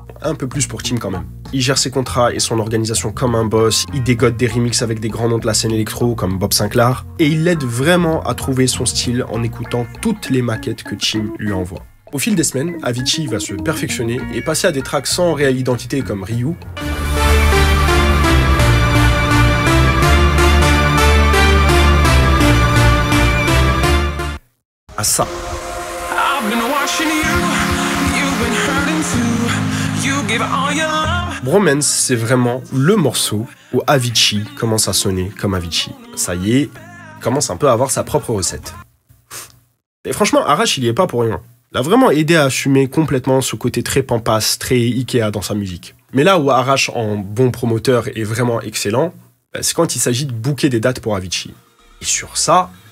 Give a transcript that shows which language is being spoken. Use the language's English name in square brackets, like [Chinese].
[French] Un peu plus pour Tim quand même. Il gère ses contrats et son organisation comme un boss, il dégote des remixes avec des grands noms de la scène électro comme Bob Sinclair, et il l'aide vraiment à trouver son style en écoutant toutes les maquettes que Tim lui envoie. Au fil des semaines, Avicii va se perfectionner et passer à des tracks sans réelle identité comme Ryu, à ça. [English] I've been watching you, you've been hurting too, you give all your love. [French] Bromance, c'est vraiment le morceau où Avicii commence à sonner comme Avicii. Ça y est, il commence un peu à avoir sa propre recette. Et franchement, Arash, il y est pas pour rien. L'a vraiment aidé à assumer complètement ce côté très pampas, très Ikea dans sa musique. Mais là où Arash, en bon promoteur, est vraiment excellent, c'est quand il s'agit de booker des dates pour Avicii. Et sur ça...